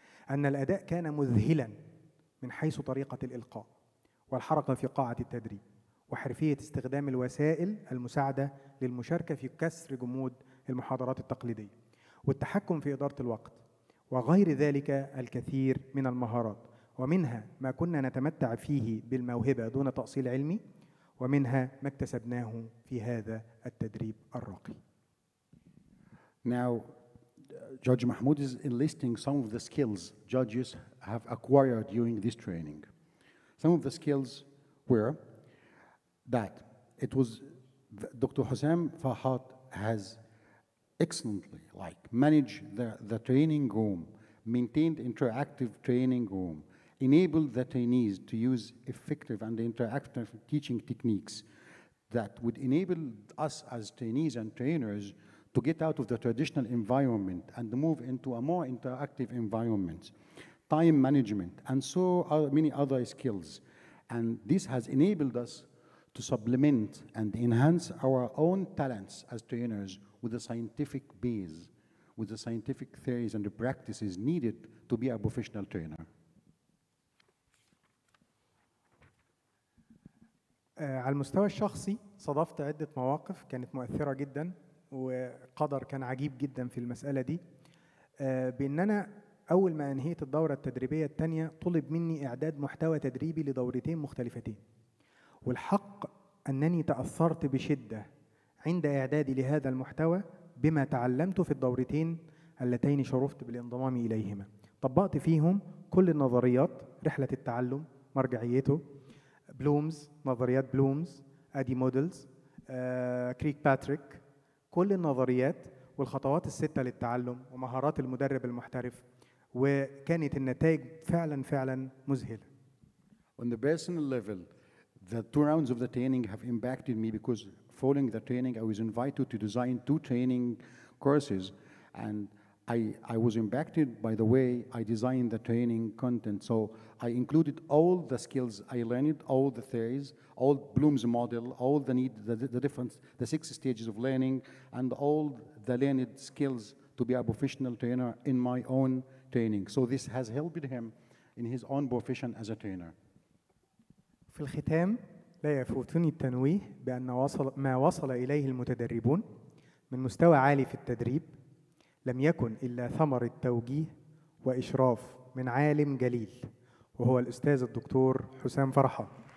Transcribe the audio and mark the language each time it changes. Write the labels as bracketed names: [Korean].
[Arabic] أن الأداء كان مذهلا من حيث طريقة الإلقاء والحركة في قاعة التدريب وحرفية استخدام الوسائل المساعدة للمشاركة في كسر جمود المحاضرات التقليدية والتحكم في إدارة الوقت وغير ذلك الكثير من المهارات ومنها ما كنا نتمتع فيه بالموهبة دون تأصيل علمي ومنها ما اكتسبناه في هذا التدريب الراقي. [English] Now, Judge Mahmoud is enlisting some of the skills judges have acquired during this training. Some of the skills were that it was Dr. Hossam Farhat has excellently managed the training room, maintained interactive training room, enabled the trainees to use effective and interactive teaching techniques that would enable us as trainees and trainers to get out of the traditional environment and move into a more interactive environment. Time management, and so are many other skills. And this has enabled us to supplement and enhance our own talents as trainers with a scientific base, with the scientific theories and the practices needed to be a professional trainer. [Arabic] على المستوى الشخصي صادفت عدة مواقف كانت مؤثرة جدا وقدر كان عجيب جدا في المسألة دي بأننا أول ما أنهيت الدورة التدريبية الثانية طلب مني إعداد محتوى تدريبي لدورتين مختلفتين والحق أنني تأثرت بشدة عند إعدادي لهذا المحتوى بما تعلمت في الدورتين اللتين شرفت بالانضمام إليهما طبقت فيهم كل النظريات رحلة التعلم مرجعيته بلومز نظريات بلومز أدي مودلز كريك باتريك كل النظريات والخطوات الستة للتعلم ومهارات المدرب المحترف وكانت النتائج فعلا مذهلة. [English] On the personal level, The two rounds of the training have impacted me because following the training, I was invited to design two training courses, and I was impacted by the way I designed the training content. So I included all the skills I learned, all the theories, all Bloom's model, all the need, the difference, the six stages of learning, and all the learned skills to be a professional trainer in my own training. So this has helped him in his own profession as a trainer. [Arabic] في الختام لا يفوتني التنويه بأن ما وصل إليه المتدربون من مستوى عالي في التدريب لم يكن إلا ثمر التوجيه وإشراف من عالم جليل وهو الأستاذ الدكتور حسام فرحة.